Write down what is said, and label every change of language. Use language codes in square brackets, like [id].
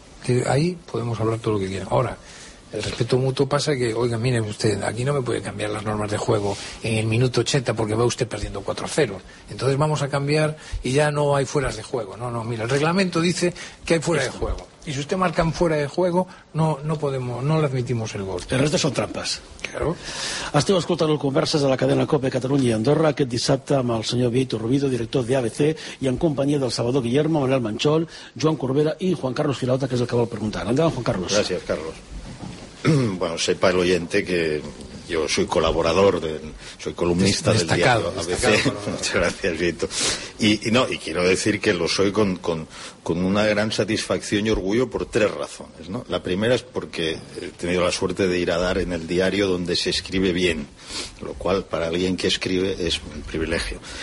[es] Que ahí podemos hablar todo lo que quieran. Ahora, el respeto mutuo pasa que, oiga, mire usted, aquí no me puede cambiar las normas de juego en el minuto 80 porque va usted perdiendo 4-0. Entonces vamos a cambiar y ya no hay fueras de juego. No, mire, el reglamento dice que hay fuera de juego. Y si usted marca en fuera de juego, no le admitimos el gol. [ca] El resto són trampes. [es] Claro. [ca] Esteu escoltant el Converses de la cadena COPE Catalunya i Andorra aquest dissabte amb el senyor Víctor Rubido, director de ABC, i en companyia del Salvador Guillermo, Manuel Manchol, Joan Corbera i Juan Carlos Filauta, que és el que vol preguntar. Endavant, Juan Carlos. Gràcies, Carlos. [es] Bueno, sepa el oyente que yo soy colaborador, soy columnista del diario ABC. Muchas gracias, Vito. Y quiero decir que lo soy con una gran satisfacción y orgullo por tres razones, ¿no? La primera es porque he tenido la suerte de ir a dar en el diario donde se escribe bien, lo cual para alguien que escribe es un privilegio.